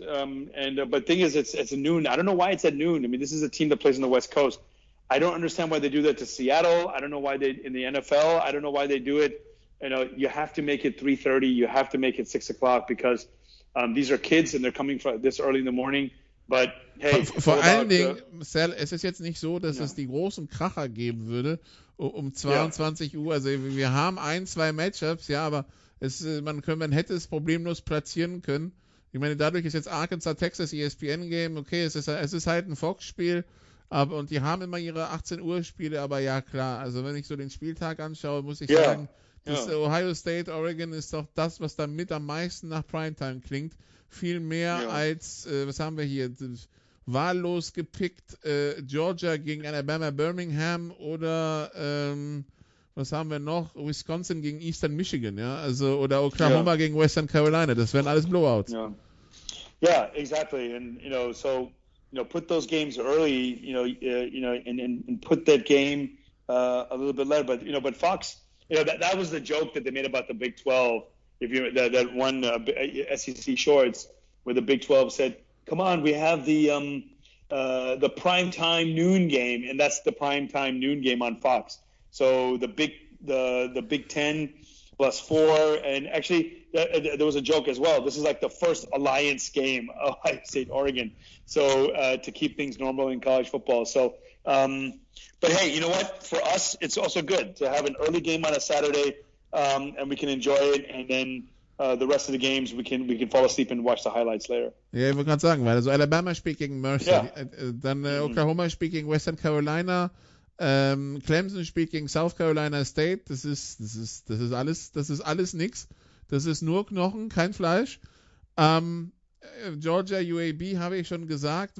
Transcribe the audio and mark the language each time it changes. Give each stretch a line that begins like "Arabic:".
English: But thing is, it's a noon. I don't know why it's at noon. I mean, this is a team that plays on the West Coast. I don't understand why they do that to Seattle. I don't know why they in the NFL. I don't know why they do it. You know, you have to make it 3:30. You have to make it 6 o'clock because these are kids and they're coming for this early in the morning. But hey,
German: vor allen Dingen, Marcel, es ist jetzt nicht so, dass es die großen Kracher geben würde um 22 Uhr. Also wir haben ein, zwei Matchups, ja, aber man hätte es problemlos platzieren können. Ich meine, dadurch ist jetzt Arkansas, Texas, ESPN Game, okay, es ist halt ein Fox-Spiel. Aber, und die haben immer ihre 18-Uhr-Spiele, aber ja, klar. Also wenn ich so den Spieltag anschaue, muss ich sagen, das Ohio State, Oregon ist doch das, was dann mit am meisten nach Primetime klingt. Viel mehr als, was haben wir hier, wahllos gepickt, Georgia gegen Alabama, Birmingham oder, was haben wir noch, Wisconsin gegen Eastern Michigan, ja, also oder Oklahoma gegen Western Carolina. Das wären alles Blowouts.
English: Yeah, exactly. And, you know, so... You know, put those games early, and put that game a little bit later. But, you know, but Fox, you know, that was the joke that they made about the Big 12. If you that one SEC shorts where the Big 12 said, come on, we have the primetime noon game. And that's the primetime noon game on Fox. So the Big 10 plus four. And actually, there was a joke as well. This is like the first alliance game of Ohio State Oregon. So to keep things normal in college football. So, but hey, you know what? For us, it's also good to have an early game on a Saturday, and we can enjoy it. And then the rest of the games, we can fall asleep and watch the highlights later.
German: Yeah, ich wollte gerade sagen, weil also Alabama spielt gegen Mercer, Oklahoma spielt gegen Western Carolina, Clemson spielt gegen South Carolina State. Das ist alles nix. Das ist nur Knochen, kein Fleisch. Georgia, UAB, habe ich schon gesagt.